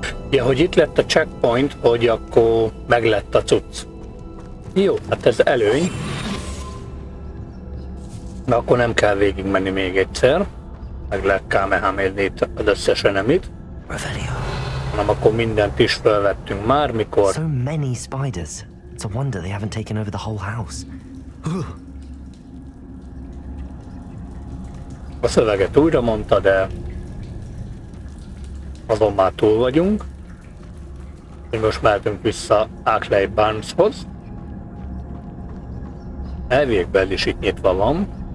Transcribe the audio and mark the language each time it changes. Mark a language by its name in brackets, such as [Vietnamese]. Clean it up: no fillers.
[Hungarian] Ja, hogy itt lett a checkpoint, hogy akkor meg lett a cucc. Jó, hát ez előny. Na akkor nem kell végig menni még egyszer. Meg lehet kámehámérni itt az összes enemit. Hanem akkor mindent is felvettünk már, mikor... [English] So many spiders. It's a wonder they haven't taken over the whole house. [Hungarian] A szöveget újra mondta, de... azon már túl vagyunk. Most mehetünk vissza Ackley Barneshoz. Elvégben is itt nyitva van.